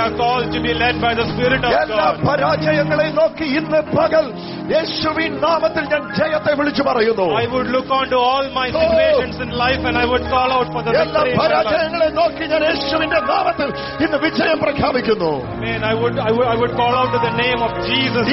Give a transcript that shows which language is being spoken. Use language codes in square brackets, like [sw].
[ml] പരാജയങ്ങളെ നോക്കി ഇന്ന് പകൽ യേശുവിൻ നാമത്തിൽ ഞാൻ ജയത്തെ വിളിച്ചു പറയുന്നു. [en] I would look on to all my situations in life and I would call out for the [ml] എല്ലാ പരാജയങ്ങളെ നോക്കി ഞാൻ യേശുവിന്റെ നാമത്തിൽ ഇന്ന് വിജയം പ്രഖ്യാപിക്കുന്നു. [en] I would call out to the name of Jesus and